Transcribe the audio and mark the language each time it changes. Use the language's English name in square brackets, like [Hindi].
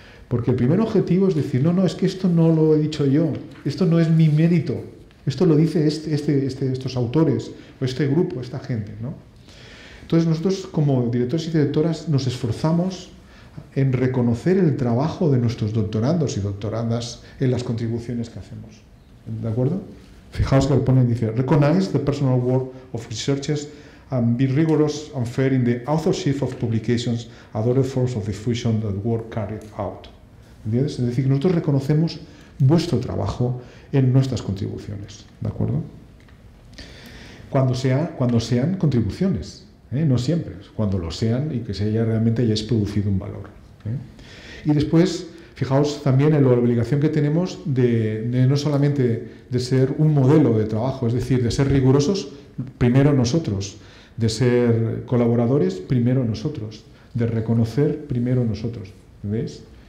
[Spanish] Porque el primer objetivo es decir, no, es que esto no lo he dicho yo, esto no es mi mérito, esto lo dice estos autores, o este grupo, esta gente, ¿no? Entonces, nosotros como directores y directoras nos esforzamos en reconocer el trabajo de nuestros doctorandos y doctorandas en las contribuciones que hacemos, ¿de acuerdo? Fijaos que lo ponen, dice, [English] recognize the personal work of researchers and be rigorous and fair in the authorship of publications and other forms of diffusion that work carried out. [Spanish] ¿Entiendes? Es decir, nosotros reconocemos vuestro trabajo en nuestras contribuciones, ¿de acuerdo? Cuando sean contribuciones, ¿eh? No siempre, cuando lo sean y que se haya realmente hayáis producido un valor, ¿eh? Y después, fijaos también en la obligación que tenemos de no solamente de ser un modelo de trabajo, es decir, de ser rigurosos primero nosotros, de ser colaboradores primero nosotros, de reconocer primero nosotros. ¿Veis?